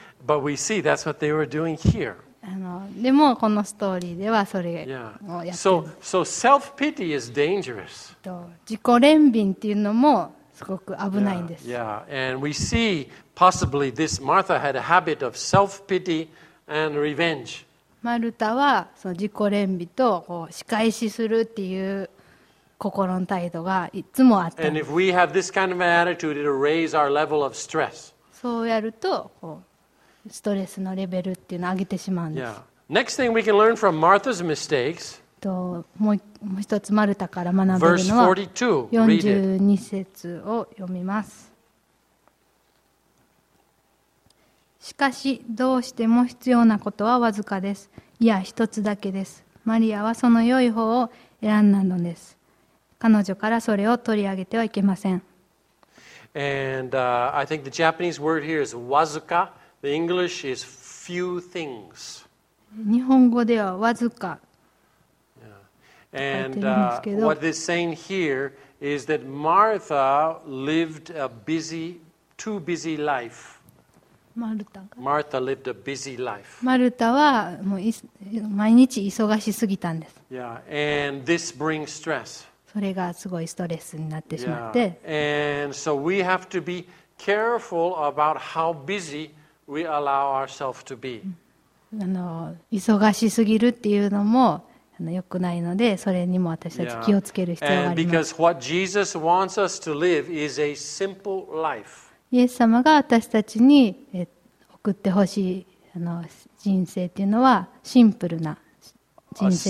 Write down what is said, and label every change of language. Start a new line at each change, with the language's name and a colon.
English: But we see that's what they were doing here.
Japanese: でもこのストーリーではそれをやってる。
English: So self-pity is dangerous.
Japanese: 自己憐憫っていうのもすごく危ないんです。
English: And we see possibly this Martha had a habit of self-pity and revenge.
Japanese: マルタはその自己憐憫とこう仕返しするっていう心の態度がいつもあった。
English: And if we have this kind of attitude, it'll raise our level of stress.
Japanese: そうやるとこうストレスのレベルっていうのを上げてしまうんです。
English: Next thing we can learn from Martha's mistakes.
Japanese: もう一つマルタから学べるのは42節を読みます。しかしどうしても必要なことはわずかです。いや一つだけです。マリアはその良い方を選んだのです。彼女からそれを取り上げてはいけません。
English: And I think the Japanese word here is わずか. The English is few things.
Japanese: 日本語ではわずか。
English: And what they're saying here is that Martha lived a busy, too busy life. Martha lived a busy life.
Japanese: Martha はもう毎日忙しすぎたんです。
English: Yeah, and this brings stress.
Japanese: それがすごいストレスになってしまって。
English: Yeah, and so we have to be careful about how busy we allow ourselves to be.
Japanese: 忙しすぎるっていうのも良くないので、それにも私たち気をつける必要があります。
English: Because what Jesus wants us to live is a simple life.
Japanese: イエス様が私たちに送ってほしい人生というのはシンプルな人生。